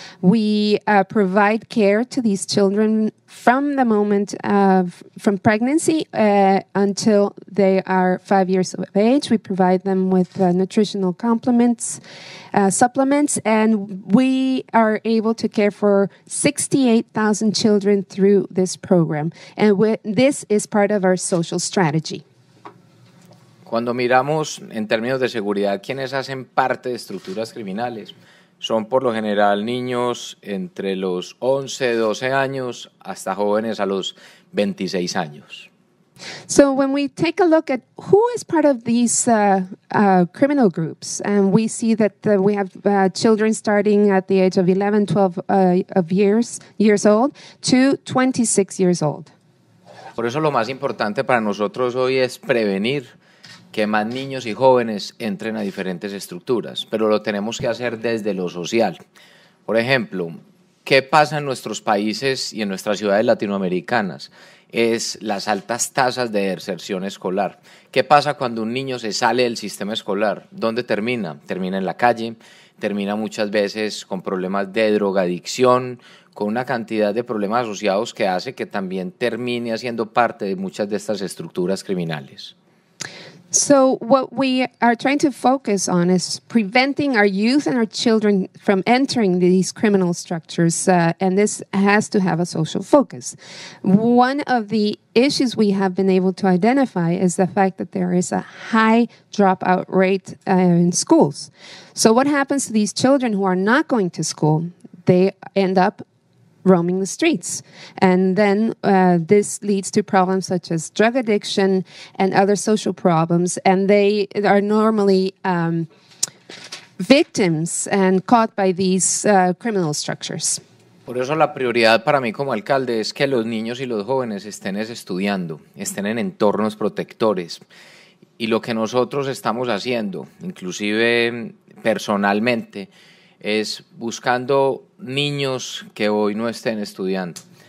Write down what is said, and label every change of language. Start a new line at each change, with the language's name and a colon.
English: We provide care to these children from the moment of from pregnancy until they are 5 years of age. We provide them with nutritional complements, supplements, and we are able to care for 68,000 children through this program. And this is part of our social strategy.
Spanish: Cuando miramos en términos de seguridad quienes hacen parte de estructuras criminales, son por lo general niños entre los 11, 12 años hasta jóvenes a los 26 años.
English: So when we take a look at who is part of these criminal groups, and we see that we have children starting at the age of 11, 12 of years old to 26 years old.
Spanish: Por eso lo más importante para nosotros hoy es prevenir que más niños y jóvenes entren a diferentes estructuras, pero lo tenemos que hacer desde lo social. Por ejemplo, ¿qué pasa en nuestros países y en nuestras ciudades latinoamericanas? Es las altas tasas de deserción escolar. ¿Qué pasa cuando un niño se sale del sistema escolar? ¿Dónde termina? Termina en la calle, termina muchas veces con problemas de drogadicción, con una cantidad de problemas asociados que hace que también termine haciendo parte de muchas de estas estructuras criminales.
English: So what we are trying to focus on is preventing our youth and our children from entering these criminal structures, and this has to have a social focus. One of the issues we have been able to identify is the fact that there is a high dropout rate in schools. So what happens to these children who are not going to school? They end up roaming the streets. And then this leads to problems such as drug addiction and other social problems. And they are normally victims and caught by these criminal structures.
Spanish: Por eso la prioridad para mí como alcalde es que los niños y los jóvenes estén estudiando, estén en entornos protectores. Y lo que nosotros estamos haciendo, inclusive personalmente, es buscando niños que hoy no estén estudiando.